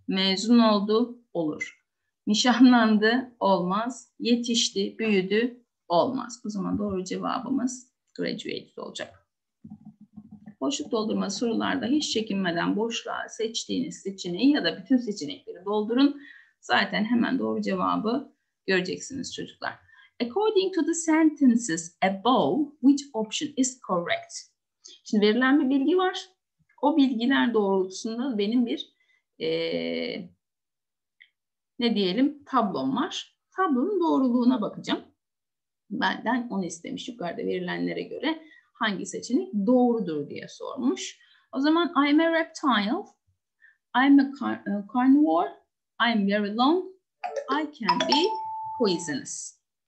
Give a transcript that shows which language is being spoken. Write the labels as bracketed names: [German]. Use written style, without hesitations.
[Turkish] Mezun oldu, olur. Nişanlandı, olmaz. Yetişti, büyüdü, olmaz. O zaman doğru cevabımız graduated olacak. Boşluk doldurma sorularda hiç çekinmeden boşluğa seçtiğiniz seçeneği ya da bütün seçenekleri doldurun. Zaten hemen doğru cevabı göreceksiniz çocuklar. [English] According to the sentences above, which option is correct? [Turkish] Şimdi verilen bir bilgi var. O bilgiler doğrultusunda benim bir ne diyelim tablom var. Tablonun doğruluğuna bakacağım. Benden onu istemiş. Yukarıda verilenlere göre hangi seçenek doğrudur diye sormuş. O zaman [English] I'm a reptile, I'm a carnivore, I'm very long, I can be poisonous.